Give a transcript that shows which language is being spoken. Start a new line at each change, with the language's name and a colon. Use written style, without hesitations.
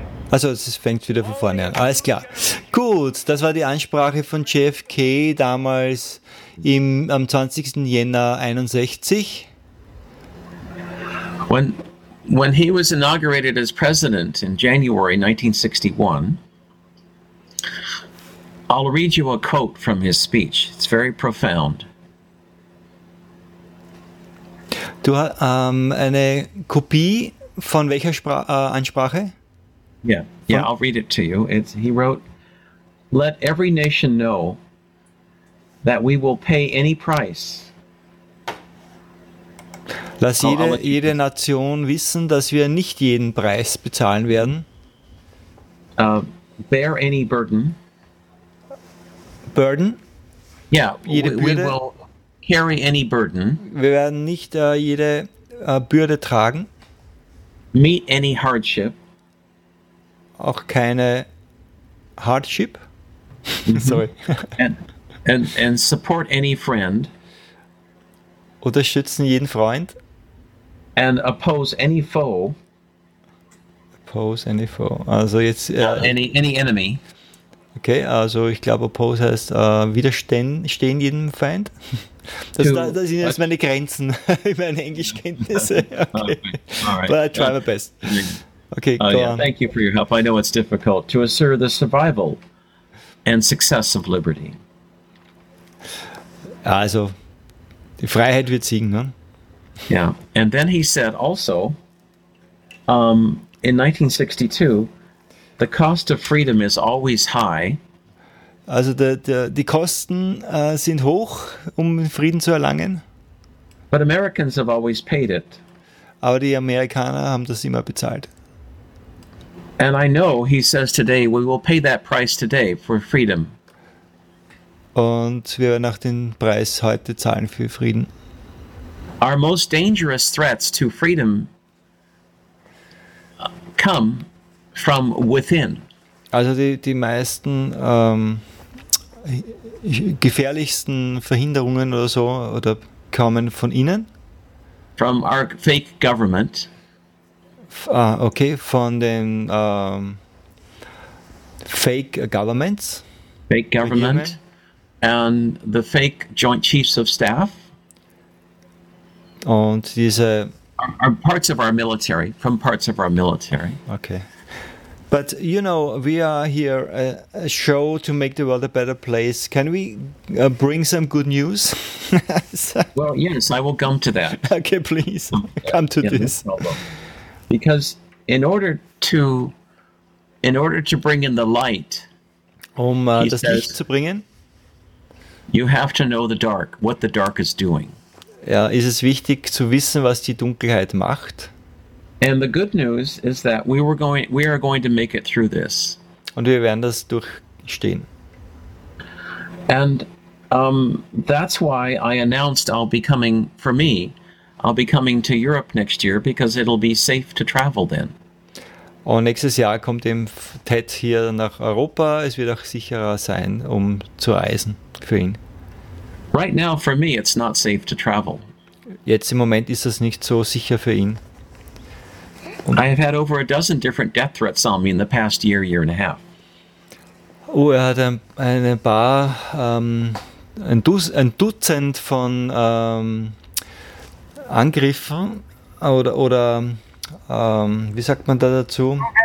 German: Also es fängt wieder von vorne an, alles klar. Gut, das war die Ansprache von JFK damals am 20. Jänner 61.
English: When he was inaugurated as president in January 1961, I'll read you a quote from his speech. It's very profound.
German: Du hast eine Kopie von welcher Ansprache?
English: I'll read it to you. He wrote, "Let every nation know that we will pay any price."
German: Lass jede Nation wissen, dass wir nicht jeden Preis bezahlen werden.
English: Bear any burden. Burden? Yeah,
German: jede Bürde.
English: Carry any burden.
German: Wir werden nicht jede Bürde tragen.
English: Meet any hardship.
German: Auch keine hardship. Sorry.
English: And support any friend.
German: Unterstützen jeden Freund.
English: And oppose any foe. Oppose any foe.
German: Also jetzt
English: any enemy.
German: Okay, also ich glaube oppose heißt widerstehen jedem Feind. Das sind jetzt meine Grenzen, meine Englischkenntnisse.
English: Okay. Okay. Right. But I try my best. Okay, go on. Thank you for your help. I know it's difficult to assure the survival and success of liberty.
German: Also, die Freiheit wird siegen, ne?
English: Yeah, and then he said also, in 1962, the cost of freedom is always high.
German: Also die Kosten sind hoch, um Frieden zu erlangen.
English: But Americans have always paid it.
German: Aber die Amerikaner haben das immer bezahlt.
English: And I know he says today we will pay that price today for freedom.
German: Und wir werden auch den Preis heute zahlen für Frieden.
English: Our most dangerous threats to freedom come from within.
German: Also die meisten gefährlichsten Verhinderungen oder so oder kommen von innen.
English: From our fake government.
German: Okay, von den fake governments.
English: Fake government and the fake Joint Chiefs of Staff.
German: Und diese
English: are parts of our military, from parts of our military. Okay. But, you know, we are here a show to make the world a better place. Can we bring some good news? Well, yes, I will come to that. Okay, please, come to this. Because in order to bring in the light,
German: das Licht zu bringen,
English: you have to know the dark, what the dark is doing.
German: Ja, ist es wichtig zu wissen, was die Dunkelheit macht?
English: And the good news is that we are going to make it through this.
German: Und wir werden das durchstehen.
English: And that's why I announced I'll be coming to Europe next year, because it'll be safe to travel then.
German: Und nächstes Jahr kommt eben Ted hier nach Europa. Es wird auch sicherer sein, um zu reisen für ihn.
English: Right now for me it's not safe to travel.
German: Jetzt im Moment ist es nicht so sicher für ihn.
English: Und I have had over a dozen different death threats on me in the past year and a half.
German: Oh, er hat ein Dutzend von Angriffen oder wie sagt man da dazu?